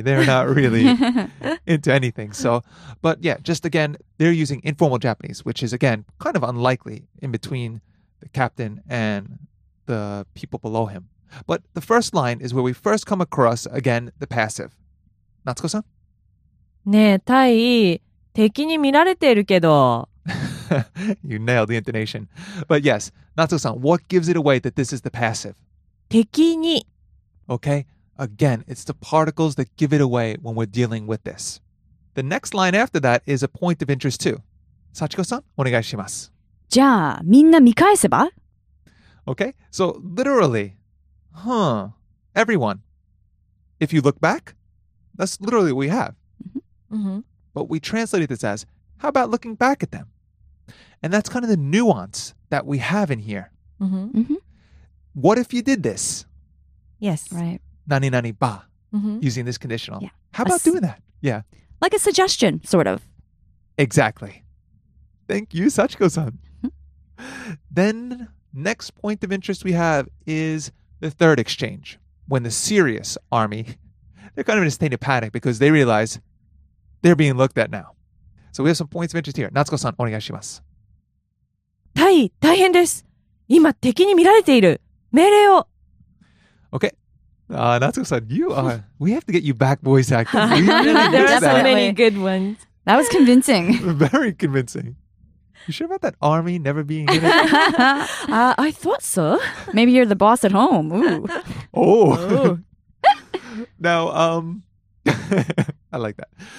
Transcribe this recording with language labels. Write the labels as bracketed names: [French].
[English] They're not really into anything. So, but yeah, just again, they're using informal Japanese, which is again, kind of unlikely in between the captain and the people below him. But the first line is where we first come across, again, the passive. Natsuko-san? [Japanese] ねえ、タイ、敵に見られてるけど。 [English] You nailed the intonation. But yes, Natsuko-san, what gives it away that this is the passive? [Japanese] 敵に. [English] Okay, again, it's the particles that give it away when we're dealing with this. The next line after that is a point of interest too. Sachiko-san, [Japanese] お願いします. じゃあ、みんな見返せば? [English] Okay, so literally... Huh. Everyone. If you look back, that's literally what we have. Mm-hmm. But we translated this as, how about looking back at them? And that's kind of the nuance that we have in here. Mm-hmm. Mm-hmm. What if you did this? Yes. Right. [Japanese] Nani nani ba. [English] Mm-hmm. Using this conditional. Yeah. How about doing that? Yeah. Like a suggestion, sort of. Exactly. Thank you, Sachiko-san. Mm-hmm. Then, next point of interest we have is... The third exchange, when the serious army, they're kind of in a state of panic because they realize they're being looked at now. So we have some points of interest here. Natsuko-san, [Japanese] お願いします. [English] Tai, [Japanese] 大変です. 今敵に見られている。命令を. [English] Okay. Natsuko-san, you are... We have to get you back voice acting. There are so many good ones. That was convincing. Very convincing. You sure about that army never being in it? I thought so. Maybe you're the boss at home. Ooh. Oh. Now, I like that.